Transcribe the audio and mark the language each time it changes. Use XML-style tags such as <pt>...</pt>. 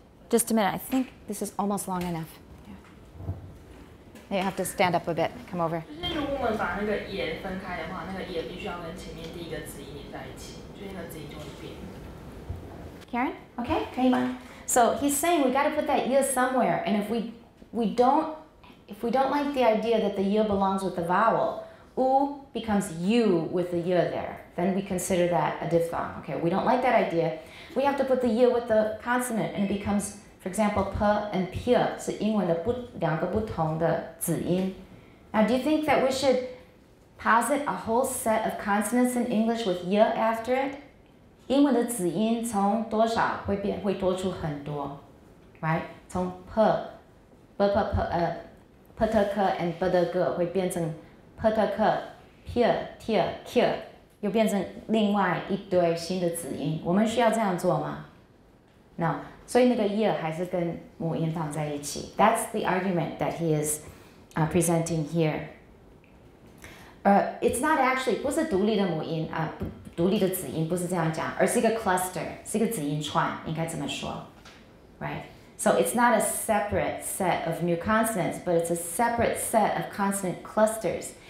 <en>Just a minute, I think this is almost long enough. You have to stand up a bit. Come over.</en> <zh>就是如果我们把那个也分开的话，那个也必须要跟前面第一个子音连在一起，就那个子音就会变。</zh> <en>Karen, okay,</en> <zh>可以吗</zh> <en>？So he's saying we got to put that ye somewhere, and if we don't like the idea that the ye belongs with the vowel, u becomes u with the ye there, then we consider that a diphthong. Okay, we don't like that idea. We have to put the ye with the consonant, and it becomes. For example, p and p</en> <zh>是英文的不两个不同的子音。</zh> <en>Now, do you think that we should posit a whole set of consonants in English with y after it?</en> <zh>英文的子音从多少会变会多出很多 ，</zh> <en>right?</en> <zh>从 p, b p p p t k and b d g 会变成 p t k p t k 又变成另外一堆新的子音。我们需要这样做吗 ？</zh> <en>No.</en> <zh>所以那个叶还是跟母音放在一起。</zh> <en>That's the argument that he is presenting here. It's not actually,</en> <zh>不是独立的母音、独立的子音不是这样讲，而是一个 cluster, 是一个子音串，应该这么说。</zh> <en>Right? So it's not a separate set of new consonants, but it's a separate set of consonant clusters.</en>